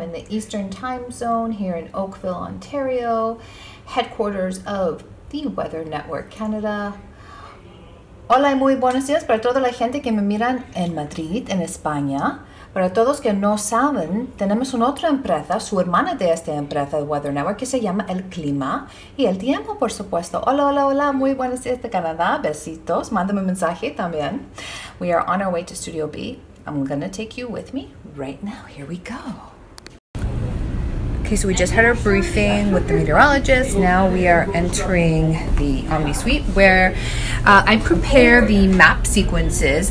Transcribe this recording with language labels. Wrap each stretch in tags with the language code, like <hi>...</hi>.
<en>in the Eastern Time Zone here in Oakville, Ontario, headquarters of the Weather Network Canada.</en> <es>Hola y muy buenos días para toda la gente que me miran en Madrid, en España. Para todos que no saben, tenemos una otra empresa, su hermana de esta empresa, Weather Network, que se llama El Clima y El Tiempo, por supuesto. Hola, hola, hola, muy buenos días de Canadá. Besitos. Mándame un mensaje también.</es> <en>We are on our way to Studio B. I'm going to take you with me right now. Here we go. Okay, so we just had our briefing with the meteorologist. Now we are entering the Omni Suite where I prepare the map sequences.</en>